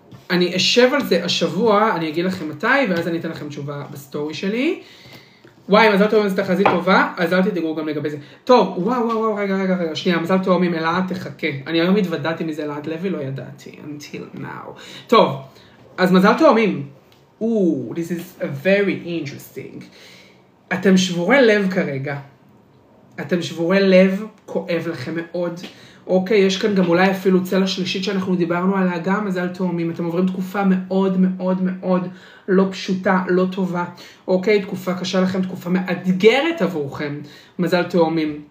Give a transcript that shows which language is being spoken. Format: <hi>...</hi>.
<he>אני אשב על זה השבוע, אני אגיד לכם מתי, ואז אני אתן לכם תשובה בסטורי שלי. וואי, מזל תאומים, זאת תחזית טובה, אז אל תדאגו גם לגבי זה. טוב, וואו, רגע, שנייה, מזל תאומים, אלעד תחכה. אני היום התוודעתי מזה, אלעד לוי לא ידעתי,</he> <en>until now.</en> <he>טוב, אז מזל תאומים.</he> <en>This is very interesting.</en> <he>אתם שבורי לב כרגע. אתם שבורי לב, כואב לכם מאוד. אוקיי, יש כאן גם אולי אפילו צלע שלישית שאנחנו דיברנו עליה גם, מזל תאומים. אתם עוברים תקופה מאוד מאוד מאוד לא פשוטה, לא טובה. אוקיי, תקופה קשה לכם, תקופה מאתגרת עבורכם, מזל תאומים.</he>